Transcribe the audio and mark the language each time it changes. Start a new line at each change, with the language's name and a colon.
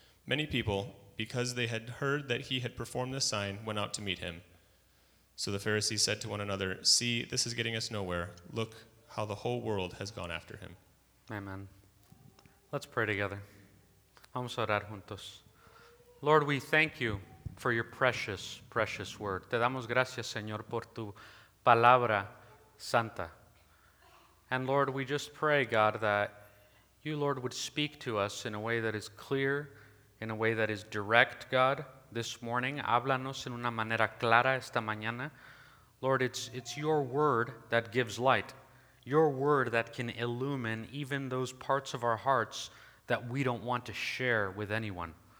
English: Many people, because they had heard that he had performed this sign, went out to meet him. So the Pharisees said to one another, See, this is getting us nowhere. Look how the whole world has gone after him. Amen. Let's pray together. Vamos a orar juntos. Lord, we thank you for your precious, precious word.
Spanish: Te damos gracias, Señor, por tu palabra santa.
English: And Lord, we just pray, God, that you, Lord, would speak to us in a way that is clear, in a way that is direct, God, this morning.
Spanish: Háblanos en una manera clara esta mañana.
English: Lord, it's your word that gives light, your word that can illumine even those parts of our hearts that we don't want to share with anyone.